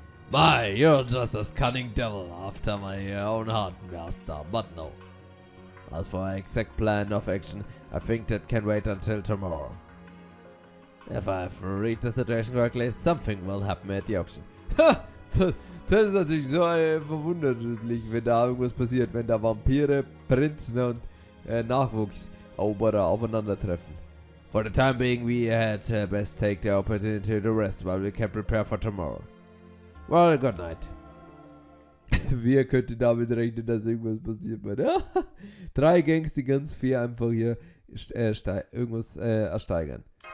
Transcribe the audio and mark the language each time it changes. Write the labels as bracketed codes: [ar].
[en] My, you're just a cunning devil after my own heart, master, but no. As for our exact plan of action, I think that can wait until tomorrow. If I have read the situation correctly, something will happen at the auction. Ha! [de] Das ist natürlich so verwunderlich, wenn da irgendwas passiert, wenn da Vampire, Prinzen und Nachwuchs-Oberer aufeinandertreffen. [en] For the time being, we had best take the opportunity to rest while we can prepare for tomorrow. Well, good night. [de] Wer könnte damit rechnen, dass irgendwas passiert wird? Drei Gangs, die ganz viel einfach hier irgendwas ersteigern.